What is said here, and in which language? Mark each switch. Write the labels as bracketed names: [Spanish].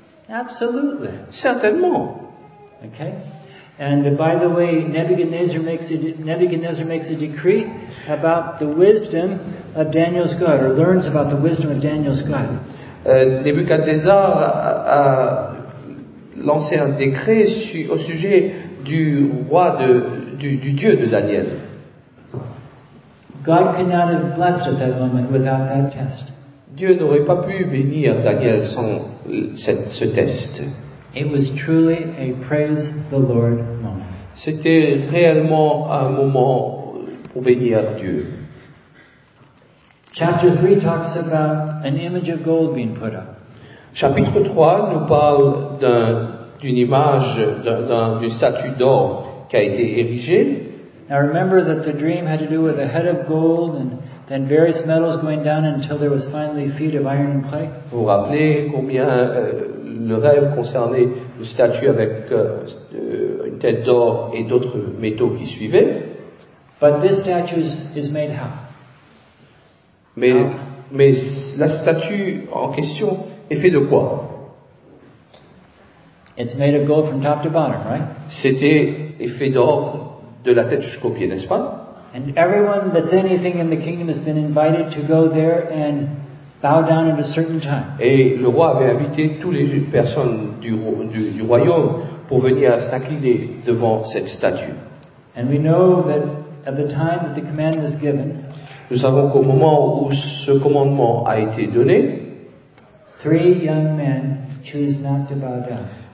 [English] Absolutely. [French] Certainement. [English] Okay. And by the way, Nebuchadnezzar makes a decree about the wisdom of Daniel's God, or learns about the wisdom of Daniel's God. [French] Nebuchadnezzar lancer un décret au sujet du roi du Dieu de Daniel. [English] God could not have blessed at that moment without that test. [French] Dieu n'aurait pas pu bénir Daniel sans ce test. [English] It was truly a praise the Lord moment. [French] C'était réellement un moment pour bénir Dieu. [English] Chapter 3 talks about an image of gold being put up. [French] Chapitre 3 nous parle d'une image, d'une statue d'or qui a été érigée. [English] Now remember that the dream had to do with a head of gold and then various metals going down until there was finally feet of iron and clay. [French] Vous vous rappelez combien le rêve concernait une statue avec une tête d'or et d'autres métaux qui suivaient. [English] But this statue is made how? [French] Mais la statue en question est faite de quoi? [English] It's made of gold from top to bottom, right? [French] C'était fait d'or de la tête jusqu'au pied, n'est-ce pas? [English] And everyone that's anything in the kingdom has been invited to go there and bow down at a certain time. [French] Et le roi avait invité toutes les personnes du royaume pour venir s'incliner devant cette statue. [English] And we know that at the time that the command was given, [French] nous savons qu'au moment où ce commandement a été donné, [English] three young men choose not to bow down.